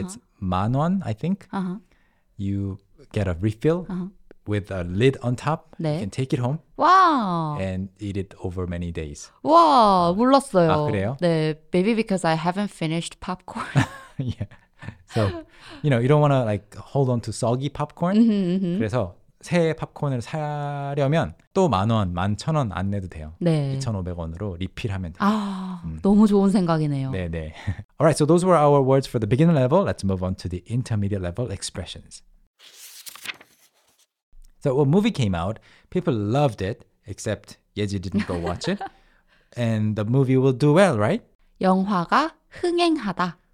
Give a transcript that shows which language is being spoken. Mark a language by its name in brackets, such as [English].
[English] it's 10,000 won, I think. Uh-huh. You get a refill uh-huh. with a lid on top. 네. You can take it home. Wow. And eat it over many days. [Korean] Wow, 몰랐어요. 아, 그래요? [English] 네, maybe because I haven't finished popcorn. yeah. So, you know, you don't want to like hold on to soggy popcorn. Mm-hmm, mm-hmm. [Korean] 그래서 새 팝콘을 사려면 또 10,000 원, 11,000 원 안 내도 돼요. 네. 2,500원으로 리필하면 돼요. 아, 너무 좋은 생각이네요. 네, 네. [English] All right, so those were our words for the beginner level. Let's move on to the intermediate level expressions. So a movie came out. People loved it, except Yeji didn't go watch it. And the movie will do well, right? [Korean] 영화가 흥행하다.